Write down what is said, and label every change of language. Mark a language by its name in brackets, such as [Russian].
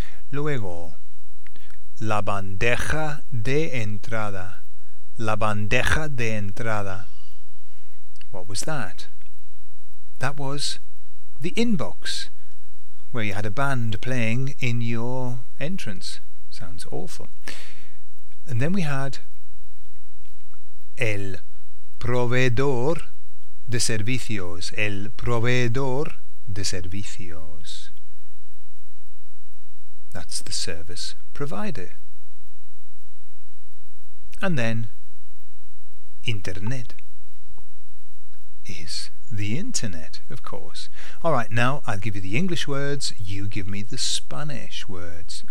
[Spanish] Luego, la bandeja de entrada. La bandeja de entrada. [English] What was that? That was the inbox, where you had a band playing in your entrance. Sounds awful. And then we had [Spanish] el proveedor de servicios. El proveedor de servicios. [English] That's the service provider. And then internet is the internet, of course. All right, now I'll give you the English words, you give me the Spanish words.